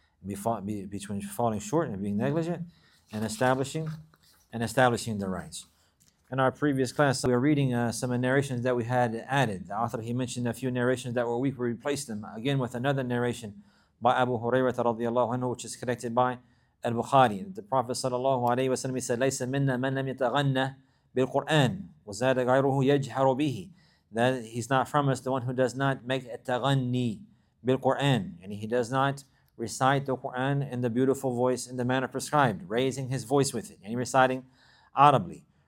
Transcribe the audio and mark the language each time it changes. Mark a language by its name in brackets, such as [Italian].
[English] Between falling short and being negligent and establishing the rights. In our previous class, we were reading some narrations that we had added. The author, he mentioned a few narrations that were weak. We replaced them again with another narration by Abu Hurairah radiallahu anhu, which is connected by Al-Bukhari. The Prophet sallallahu alayhi wa sallam, he said, [Arabic] لَيْسَ مِنَّا مَنْ لَمْ يَتَغَنَّ بِالْقُرْآنِ وَزَادَ غَيْرُهُ يَجْحَرُ بِهِ. [English] That he's not from us, the one who does not make [Arabic] التغني بِالْقُرْآنِ. [English] And he does not recite the Qur'an in the beautiful voice in the manner prescribed, raising his voice with it, and reciting audibly.